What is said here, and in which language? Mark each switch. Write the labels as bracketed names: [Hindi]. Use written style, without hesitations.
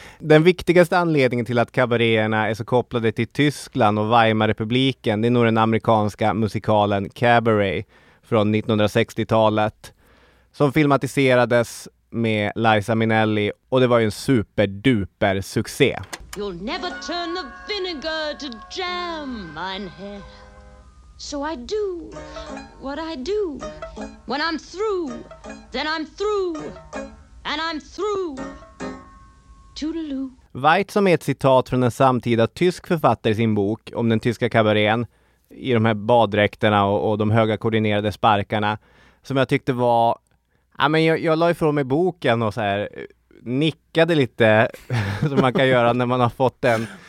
[Swedish] Den viktigaste anledningen till att kabaréerna är så kopplade till Tyskland och Weimarrepubliken, det är nog den amerikanska musikalen Cabaret från 1960-talet som filmatiserades med Liza Minnelli, och det var ju en superduper succé. [English] You'll never turn the vinegar to jam, [German] mein Herr. [English] So I do what I do. When I'm through, then I'm through. and I'm through. Toodaloo. [Swedish] Weit, som är ett citat från en samtida tysk författare i sin bok om den tyska kabarén i de här baddräkterna och de höga koordinerade sparkarna, som jag tyckte var... Ja, men jag la ifrån mig boken och så här nickade lite, som man kan göra när man har fått den.